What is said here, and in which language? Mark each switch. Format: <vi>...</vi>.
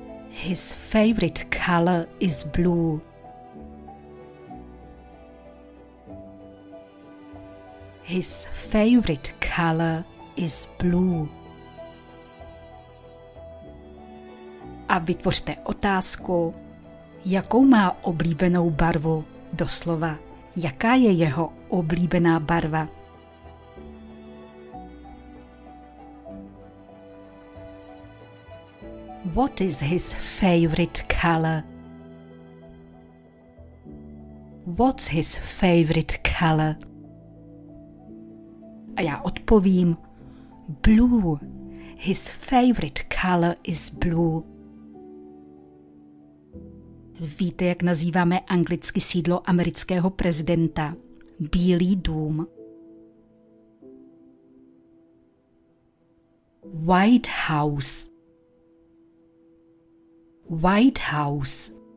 <en>His favorite color is blue. His favorite color is blue.</en> <cs>A vytvořte otázku, jakou má oblíbenou barvu, doslova. Jaká je jeho oblíbená barva?</cs> <en>What is his favorite color? What's his favorite color?</en> <cs>A já odpovím,</cs> <en>blue. His favorite color is blue.</en> <cs>Víte, jak nazýváme anglicky sídlo amerického prezidenta? Bílý dům.</cs> <en>White House. White House.</en>